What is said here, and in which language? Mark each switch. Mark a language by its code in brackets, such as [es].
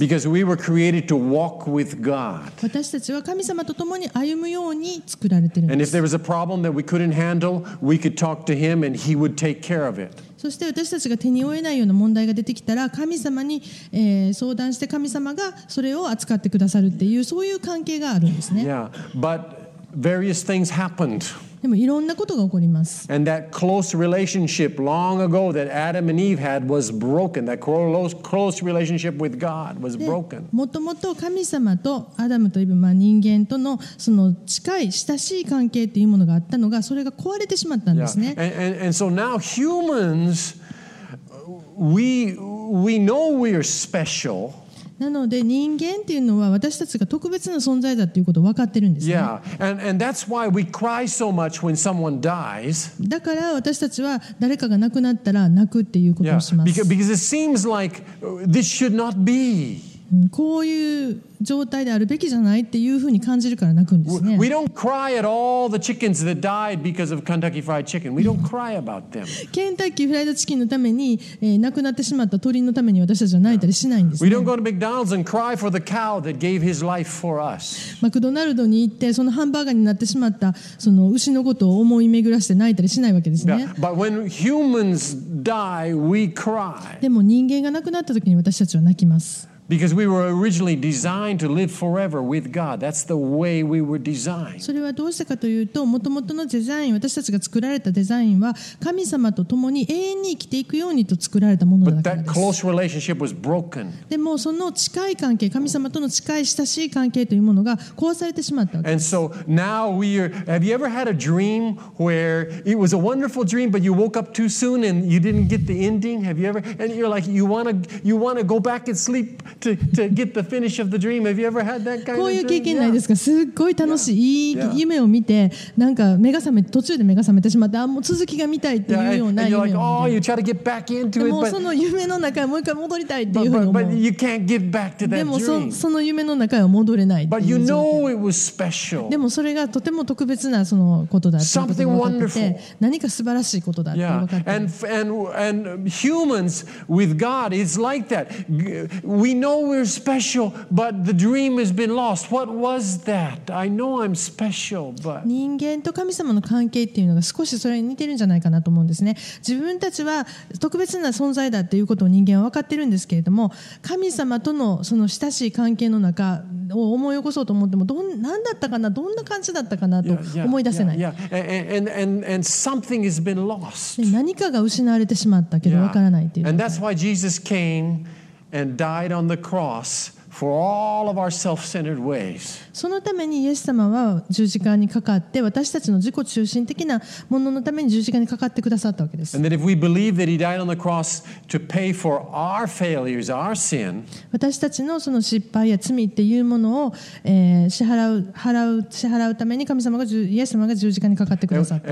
[en] Because we were created to walk with God. [ja] 私たちは神様と共に歩むように作られているんです。 [en] And if there was a problem that we couldn't handle, we could talk to him and he would take care of it. [ja] そして私たちが手に負えないような問題が出てきたら神様に相談して神様がそれを扱ってくださるっていうそういう関係があるんですね。 [en] Yeah, but various things happened. [ja] でもいろんなことが起こります。 [en] And that close relationship long ago that Adam and Eve had was broken. That close relationship with God was broken. [ja] もともと神様とアダムとイブ、まあ、人間とのその近い親しい関係というものがあったのが、それが壊れてしまったんですね。 [en] Yeah. And so now humans, we we know we are special. [ja] なので人間っていうのは私たちが特別な存在だということを分かってるんですね。 [en] Yeah. And that's why we cry so much when someone dies. [ja] だから私たちは誰かが亡くなったら泣くっていうことをします。 [en] Yeah. Because it seems like this should not be. [ja] こういう状態であるべきじゃないっていうふうに感じるから泣くんですね。 [en] We don't cry at all the chickens that died because of Kentucky Fried Chicken. We don't cry about them. [ja] ケンタッキーフライドチキンのために、亡くなってしまった鳥のために私たちは泣いたりしないんですね。 [en] We don't go to McDonald's and cry for the cow that gave his life for us. [ja] マクドナルドに行ってそのハンバーガーになってしまったその牛のことを思い巡らして泣いたりしないわけですね。 [en] But when humans die, we cry. [ja] でも人間が亡くなった時に私たちは泣きます。 [en] Because we were originally designed to live forever with God. That's the way we were designed. [ja] それはどうしてかというと、もともとのデザイン、私たちが作られたデザインは、神様と共に永遠に生きていくようにと作られたものだからです。 [en] But that close relationship was broken. [ja] でもその近い関係、神様との近い親しい関係というものが壊されてしまったわけです。 [en] And so now we are, have you ever had a dream where it was a wonderful dream, but you woke up too soon and you didn't get the ending? Have you ever, and you're like, you want to go back and sleep? To get the finish of the dream. Have you ever had that kind of dream? [ja] こういう経験ないですか？すっごい楽しい、yeah. いい夢を見て、なんか目が覚め途中で目が覚めてしまって、あもう続きが見たいっていうような夢を見て。 [en] Yeah. And you're like, oh, you try to get back into it. [ja] でもその夢の中へもう一回戻りたいっていうふうに思う。 [en] But you can't get back to that dream. [ja] でもその夢の中へは戻れない。 [en] But you know it was special. [ja] でもそれがとても特別なそのことだっていうことが分かって、何か素晴らしいことだって分かって。 [en] Yeah. And humans with God is like that. We know we're special, but the dream has been lost. What was that? I know I'm special, but [ja] 人間と神様の関係っていうのが少しそれに似てるんじゃないかなと思うんですね。自分たちは特別な存在だっていうことを人間は分かってるんですけれども、神様とのその親しい関係の中を思い起こそうと思っても、何だったかな、どんな感じだったかなと思い出せない。 [en] And something has been lost. [ja] 何かが失われてしまったけど分からないっていう。 [en] And that's why Jesus cameAnd died on the cross for all of our self-centered ways. [ja] そのためにイエス様は十字架にかかって私たちの自己中心的なもののために十字架にかかってくださったわけです。 [en] And that if we believe that he died on the cross to pay for our failures, our sin, [ja] 私たちのその失敗や罪っていうものを、支払うために神様がイエス様が十字架にかかってくださった。